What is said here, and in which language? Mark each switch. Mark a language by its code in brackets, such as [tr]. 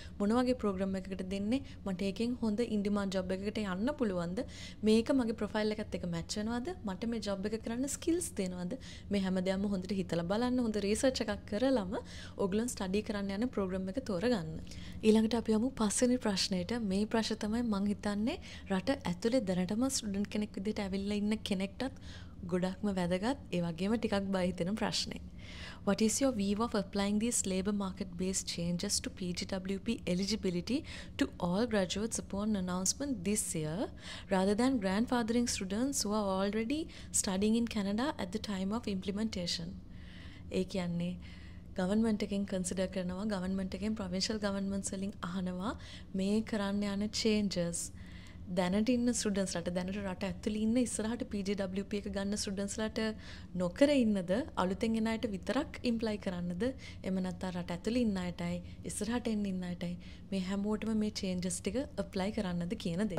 [si] මොන වගේ ප්‍රෝග්‍රෑම් එකකට දෙන්නේ, මට ඒකෙන් හොඳ ඉන් ඩිමාන්ඩ් ජොබ් එකකට යන්න පුළුවන්ද, මේක මගේ ප්‍රොෆයිල් එකත් එක මැච් වෙනවද, මට මේ ජොබ් එක කරන්න ස්කිල්ස් තියෙනවද, මේ හැම දෙයක්ම හොඳට හිතලා බලන්න, හොඳ රිසර්ච් එකක් කරලම ඔගලන් ස්ටඩි කරන්න යන ප්‍රෝග්‍රෑම් එක තෝරගන්න. ඊළඟට අපි යමු පස්වෙනි ප්‍රශ්නයට. මේ ප්‍රශ්න තමයි මං හිතන්නේ රට ඇතුලේ දැනටම ස්ටුඩන්ට් කෙනෙක් විදිහට ඇවිල්ලා ඉන්න කෙනෙක්ටත් ගොඩක්ම වැදගත්, ඒ වගේම ටිකක් බය හිතෙන ප්‍රශ්නේ. [en] What is your view of applying these labor market based changes to PGWP eligibility to all graduates upon announcement this year rather than grandfathering students who are already studying in Canada at the time of implementation? [si] ඒ කියන්නේ government එකෙන් consider කරනවා, government එකෙන් provincial ගවර්න්මන්ට්ස් වලින් අහනවා මේ කරන්න යන changes. දැනට ඉන්න ස්ටුඩන්ට්ස්ලාට, දැනට රට ඇතුළේ ඉන්න ඉස්සරහට PGWP එක ගන්න ස්ටුඩන්ට්ස්ලාට නොකර ඉන්නද, අලුතෙන් එන අයට විතරක් ඉම්ප්ලයි කරන්නද, එම නැත්නම් රට ඇතුළේ ඉන්න අයටයි ඉස්සරහට එන්න ඉන්න අයටයි මේ හැමෝටම මේ චේන්ජස් ටික අප්ලයි කරන්නද කියන දේ.